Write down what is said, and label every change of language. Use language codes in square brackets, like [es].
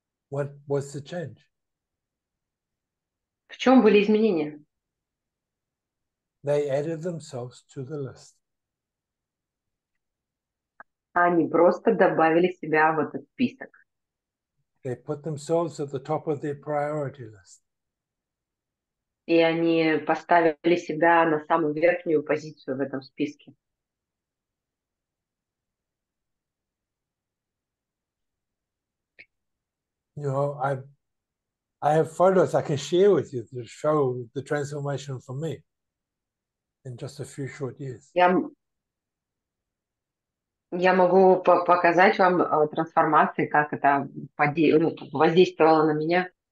[en] What was the change? [ru] В чем были изменения? [en] They added themselves to the list. [ru] Они просто добавили себя в этот список. [en] They put themselves at the top of their priority list. [ru] И они поставили себя на самую верхнюю позицию в этом списке. [en] You know, I have photos I can share with you to show the transformation for me in just a few short years. [ru] Я могу показать вам трансформации, как это воздействовало на меня.